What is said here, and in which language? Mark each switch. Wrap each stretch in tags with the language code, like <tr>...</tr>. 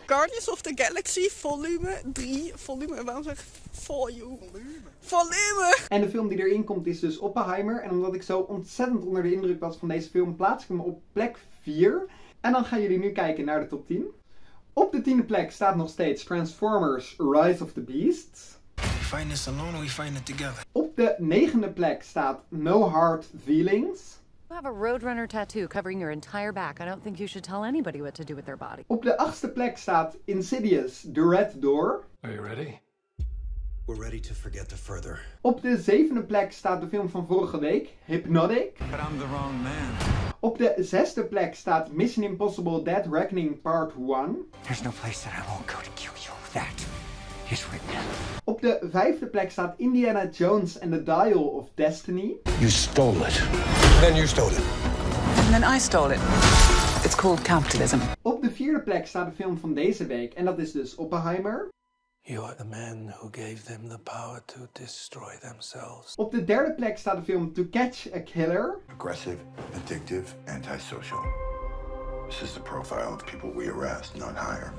<nl>Guardians of the Galaxy volume 3. Volume, waarom zeg ik volume? Volume! En de film die erin komt is dus Oppenheimer. En omdat ik zo ontzettend onder de indruk was van deze film, plaats ik hem op plek 4. En dan gaan jullie nu kijken naar de top 10. Op de 10e plek staat nog steeds Transformers Rise of the Beasts.</nl> <en>We find this alone, we find it together.</en> <nl>Op de 9e plek staat No Hard Feelings.</nl> <en>You have a Roadrunner tattoo covering your entire back. I don't think you should tell anybody what to do with their body.</en> <nl>Op de 8e plek staat Insidious, The Red Door.</nl> <en>Are you ready? We're ready to forget the further.</en> <nl>Op de 7e plek staat de film van vorige week, Hypnotic.</nl> <en>But I'm the wrong man.</en> <nl>Op de 6e plek staat Mission Impossible Dead Reckoning Part 1.</nl> <en>There's no place that I won't go to kill you. That.</en> <nl>Op de 5e plek staat Indiana Jones and the Dial of Destiny.</nl> <en>You stole it. Then you stole it. And then I stole it. It's called capitalism.</en> <nl>Op de 4e plek staat de film van deze week en dat is dus Oppenheimer.</nl> <en>You are the man who gave them the power to destroy themselves.</en> <nl>Op de 3e plek staat de film To Catch a Killer.</nl> <en>Aggressive, addictive, antisocial. This is the profile of people we arrest, not hire.</en>